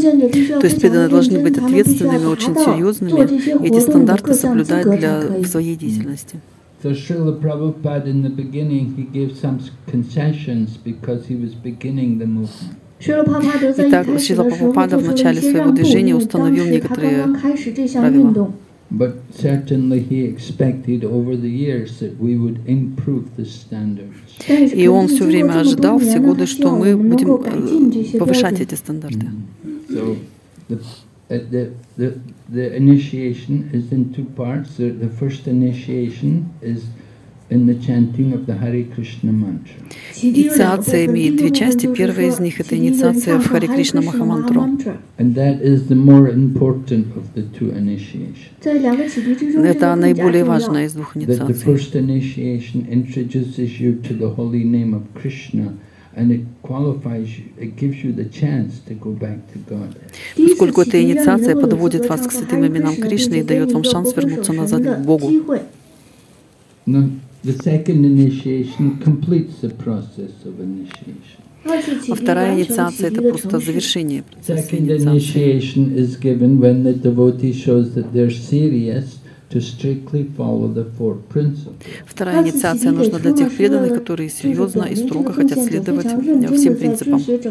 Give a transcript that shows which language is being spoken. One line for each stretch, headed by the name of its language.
Russian: То есть преданные должны быть ответственными, очень серьезными, эти стандарты соблюдать для своей деятельности.
English: So Srila Prabhupada in the beginning he gave some concessions because he was beginning the movement.
Russian: Итак, Шрила Прабхупада в начале своего движения установил некоторые правила.
English: But certainly he expected over the years that we would improve the standards.
Russian: И он все время ожидал, все годы, что мы будем повышать эти стандарты.
English: So the initiation is in two parts. The first initiation is in the chanting of the Hare Krishna mantra.
Russian: Инициация имеет две части. Первая из них — это инициация в Харе Кришна Махамантру.
English: And that is the more important of the two initiations.
Russian: Это наиболее важная из двух инициаций.
English: The first initiation introduces you to the holy name of Krishna. And it qualifies you, it gives you the chance to go back to God.
Russian: Поскольку эта инициация подводит вас к святым именам Кришны и дает вам шанс вернуться назад к Богу.
English: The second initiation completes the process of initiation.
Russian: А вторая инициация — это просто завершение процесса инициации.
English: Second initiation is given when the devotee shows that they're serious to strictly follow the four principles.
Russian: Вторая инициация нужна для тех преданных, которые серьезно и строго хотят следовать всем принципам.